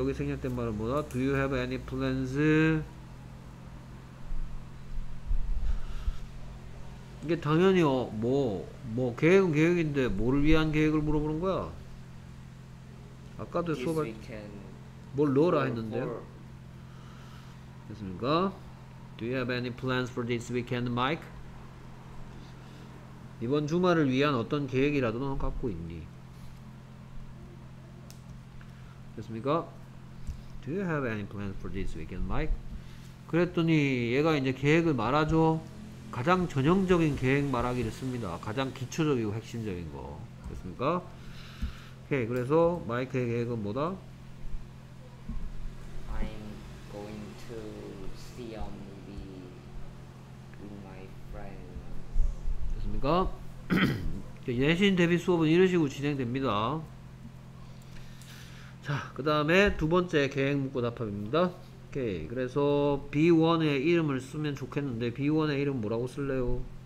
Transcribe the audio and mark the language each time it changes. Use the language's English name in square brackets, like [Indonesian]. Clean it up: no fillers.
[Korean] 여기 생략된 말은 뭐다? [English] Do you have any plans? [Korean] 이게 당연히 뭐 계획은 계획인데 뭐를 위한 계획을 물어보는 거야? 아까도 수업할 뭘 넣어라 했는데요? 됐습니까? [English] Do you have any plans for this weekend, Mike? [Korean] 이번 주말을 위한 어떤 계획이라도 넌 갖고 있니? 됐습니까? [English] Do you have any plans for this weekend, Mike? [Korean] 그랬더니 얘가 이제 계획을 말아줘. 가장 전형적인 계획 말하기를 씁니다. 가장 기초적이고 핵심적인 거. 됐습니까? 오케이. 그래서 마이크의 계획은 뭐다? [English] I'm going to see a movie with my friends. [Korean] 됐습니까? 예신 대비 수업은 이런 식으로 진행됩니다. 자, 그 다음에 두 번째 계획 묻고 답합입니다. 오케이. 그래서 B1의 이름을 쓰면 좋겠는데 B1의 이름 뭐라고 쓸래요?